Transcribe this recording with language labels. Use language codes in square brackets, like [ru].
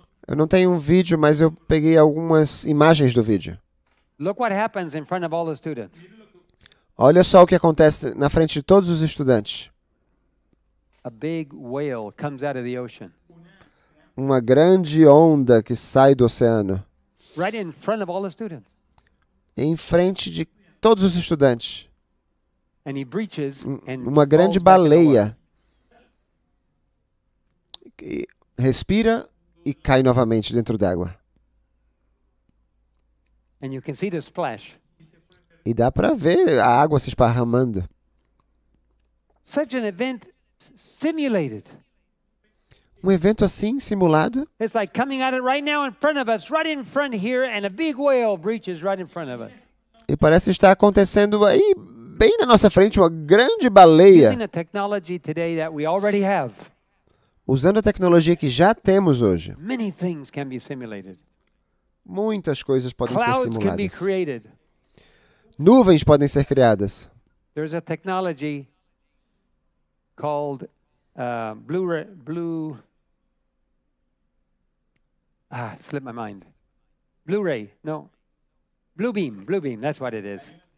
[pt] Eu não tenho um vídeo, mas eu peguei algumas imagens do vídeo. [en] Look what happens in front of all the students. [pt] Olha só o que acontece na frente de todos os estudantes. [en] A big whale comes out of the ocean. [pt] Uma grande onda que sai do oceano. [en] Right in front of all the students. [pt] Em frente de todos os estudantes. [en] And he breaches and [pt] uma grande [en] falls [pt] baleia. Respira e cai novamente dentro d'água. [en] And you can see the splash. [pt] E dá para ver a água se esparramando. [en] Such an event simulated. [pt] Um evento assim simulado? [en] It's like coming out right now in front of us, right in front here, and a big whale breaches right in front of us. [pt] E parece estar acontecendo aí bem na nossa frente uma grande baleia. [en] Using the technology today that we already have. [pt] Usando a tecnologia que já temos hoje. [en] Many things can be simulated. [pt] Muitas coisas podem [en] clouds [pt] ser simuladas. [en] Can be created. [pt] Nuvens podem ser criadas. [en] There's a technology called Blue beam, that's what it is.